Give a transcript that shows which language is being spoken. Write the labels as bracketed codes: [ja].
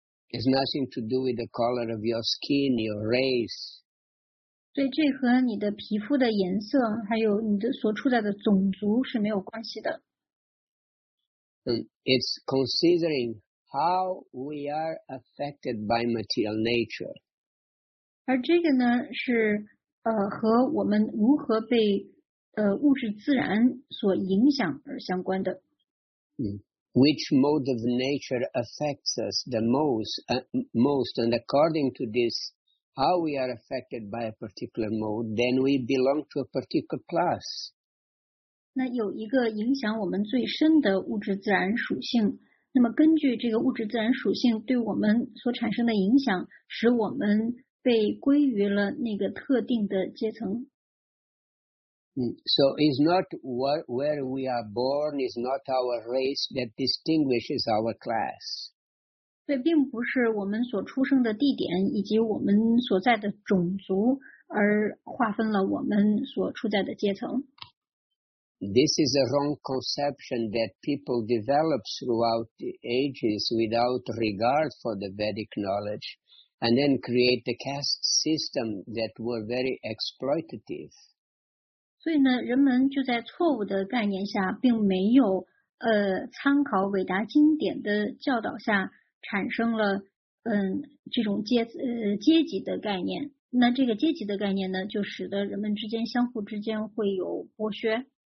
[en] It's nothing to do with the color of your skin, your race. [zh] 对，这和你的皮肤的颜色还有你的所处在的种族是没有关系的。 [en] It's considering how we are affected by material nature. [zh] 而这个呢是和我们如何被物质自然所影响而相关的。 [en] Which mode of nature affects us the most, and according to this, how we are affected by a particular mode, then we belong to a particular class. [zh] 那有一个影响我们最深的物质自然属性，那么根据这个物质自然属性对我们所产生的影响，使我们被归于了那个特定的阶层。 [en] So it's not where we are born, it's not our race that distinguishes our class. [zh] 对，并不是我们所出生的地点以及我们所在的种族而划分了我们所处在的阶层。 [en] This is a wrong conception that people develop throughout the ages without regard for the Vedic knowledge, and then create the caste system that were very exploitative. [zh] 所以呢，人们就在错误的概念下，并没有参考伟达经典的教导下，产生了这种阶级的概念。那这个阶级的概念呢，就使得人们之间相互之间会有剥削。